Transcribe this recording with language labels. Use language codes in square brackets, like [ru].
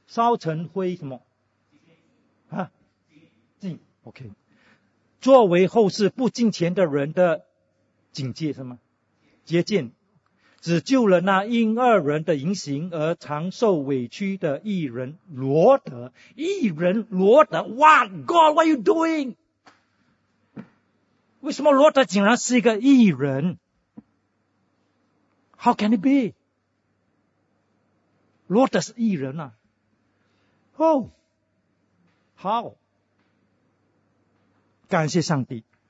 [zh] 烧成灰什么？啊？烬 ,OK。作为后世不敬虔的人的警戒什么？洁净。只救了那因二人的淫行而常受委屈的义人罗德。义人罗德 [en] What God, what are you doing? [zh] 为什么罗德竟然是一个义人？ [en] How can it be? [zh] 罗德是义人啊。 [en] Oh, how? [zh] 感谢上帝。